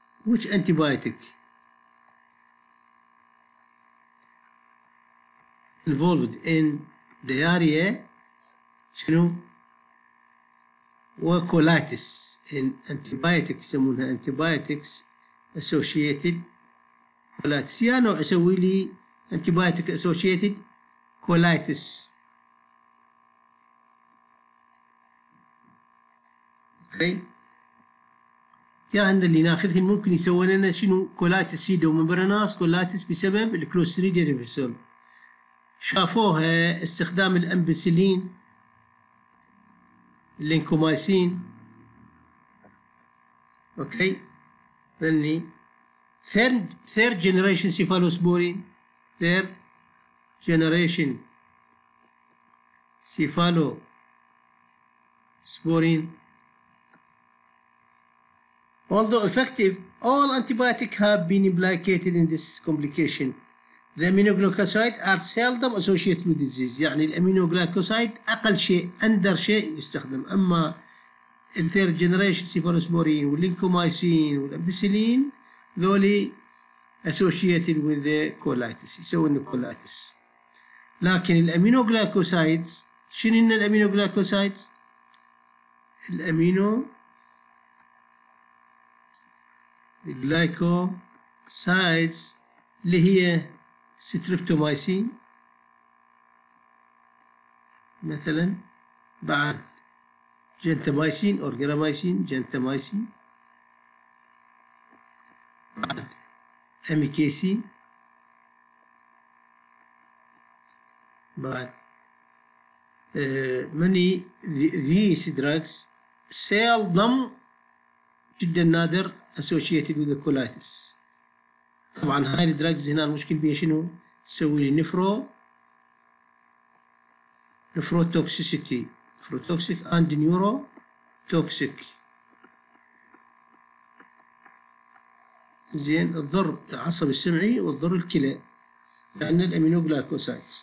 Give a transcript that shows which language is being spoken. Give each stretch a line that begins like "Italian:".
English: Which antibiotic involved in diarrhea, شنو؟ و colitis in antibiotics يسمونها antibiotics associated colitis.
Arabic: يا نوع اسوي لي antibiotic associated colitis. يا عند اللي ناخذهم ممكن يسوي لنا شنو كولايتس سيدو ممبرناس كولايتس بسبب الكلوستريديا ديفيسيل، شافوها استخدام الامبسيلين اللينكومايسين. اوكي ثاني ثيرد جينيريشن سيفالوسبورين، ثيرد جينيريشن سيفالوسبورين.
English: Although effective, all antibiotics have been implicated in this complication. The aminoglycosides are seldom associated with disease.
Arabic: يعني الأمينوغلوكوسايد أقل شيء أندر شيء يستخدم. أما الثير جنريشن سيفالوسبورين واللينكومايسين والأمبسيلين ذولي
English: associated with the colitis.
Arabic: يسوي إنه colitis. لكن الأمينوغلوكوسايدز شنين الأمينوغلوكوسايدز؟ الأمينو glycosides اللي هي streptomycin مثلا، بعد gentamicin or gentamicin gentamicin، بعد amikacin،
English: بعد many these drugs seldom
Arabic: جدا نادر
English: associated with the colitis.
Arabic: طبعا هاي الدراجز هنا المشكل بيها شنو تسوي لي نفروتوكسيك and neurotoxic. زين الضر العصب السمعي والضر الكلى لأن الأمينوغلايكوسايد.